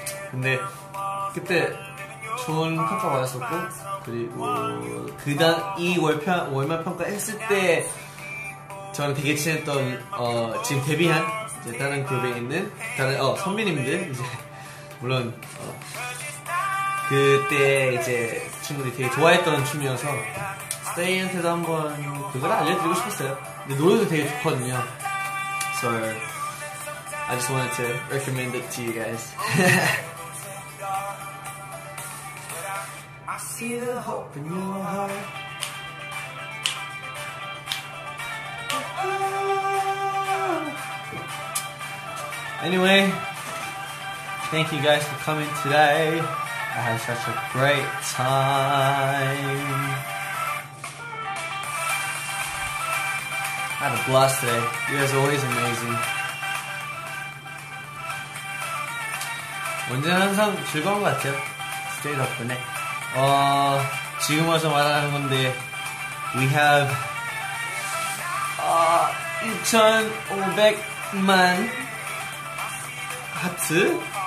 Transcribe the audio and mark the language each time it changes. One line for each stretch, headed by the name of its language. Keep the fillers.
Korean: 근데 그때 좋은 평가 받았었고 그리고 그당 이 월편 월말 평가 했을 때 저랑 되게 친했던 어, 지금 데뷔한 이제 다른 그룹에 있는 다른 어, 선배님들 이제 물론 어, 그때 이제 친구들이 되게 좋아했던 춤이어서 스테이한테도 한번 그걸 알려드리고 싶었어요. 근데 노래도 되게 좋거든요.
English: So I just wanted to recommend it to you guys. I see the hope in your heart. Anyway, thank you guys for coming today. I had such a great time. I had a blast today. You guys are always amazing.
Korean: 언제나 항상 즐거운 것 같아요. 스테이 덕분에. 어, 지금 와서 말하는 건데,
English: we have,
Korean: 아, 2,500만 하트?